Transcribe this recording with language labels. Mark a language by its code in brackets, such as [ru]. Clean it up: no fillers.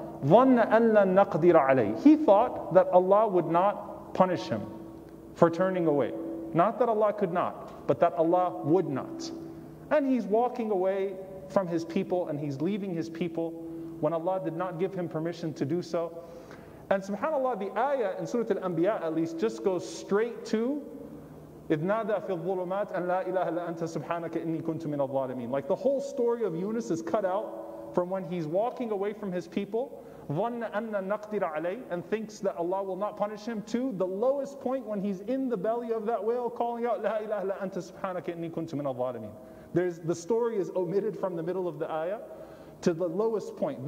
[en] He thought that Allah would not punish him for turning away. Not that Allah could not, but that Allah would not. And he's walking away from his people and he's leaving his people when Allah did not give him permission to do so. And subhanAllah, the ayah in Surah Al-Anbiya at least just goes straight to [ar] إِذْ نَادَى فِي الظُّلُمَاتِ أَنْ لَا إِلَهَ إِلَّا أَنْتَ سُبْحَانَكَ إِنِّي كُنْتُ مِنَ الظَّالِمِينَ. [en] Like the whole story of Yunus is cut out from when he's walking away from his people, [ar] ظَنَّ أَنَّ نَقْدِرَ عَلَيْهِ, [en] and thinks that Allah will not punish him, to the lowest point when he's in the belly of that whale calling out, [ar] لَا إِلَهَ إِلَّا أَنْتَ سُبْحَانَكَ إِنِّي كُنْتُ مِنَ الظَّالِمِينَ. [en] The story is omitted from the middle of the ayah to the lowest point.